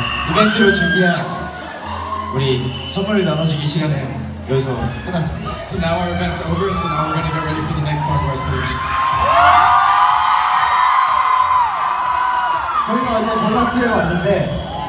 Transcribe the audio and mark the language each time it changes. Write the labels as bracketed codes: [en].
[ko] 이벤트로 준비한 우리 선물을 나눠주기 시간은 여기서 끝났습니다. [en] So now our event's over, so now we're gonna get ready for the next part of our stage. [ko] 저희가 어제 달라스에 왔는데